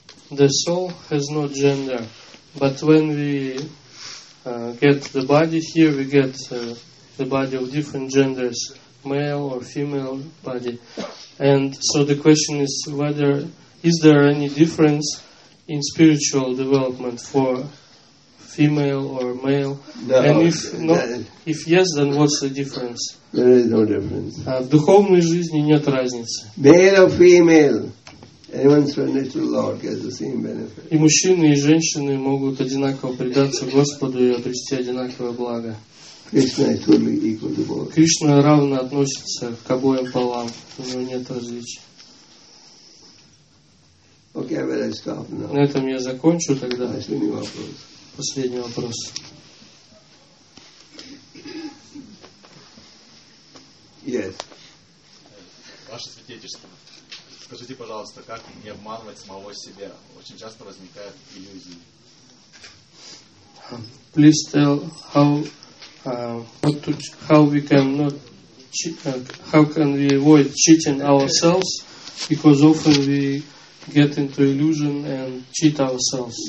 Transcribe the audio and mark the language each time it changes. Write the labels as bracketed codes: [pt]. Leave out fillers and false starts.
[en] The soul has no gender, but when we get the body here, we get the body of different genders, male or female body. And so the question is whether, is there any difference in spiritual development for female or male? No, and if not, if yes, then what's the difference? There is no difference. [ru] В духовной жизни нет разницы. [en] Male or female? Anyone surrendered to the Lord gets the same benefit. [ru] И мужчины, и женщины могут одинаково предаться Господу и обрести одинаковое благо. [en] Krishna is totally equal to both. [ru] Кришна равно относится к обоим полам. У него нет различий. [en] Okay, I better stop now. [ru] На этом я закончу тогда. Последний вопрос. Последний вопрос. [en] Yes. [ru] Ваше святейшество. Скажите, пожалуйста, как не обманывать самого себя? Очень часто возникают иллюзии. [en] Please tell how can we avoid cheating ourselves, because often we get into illusion and cheat ourselves.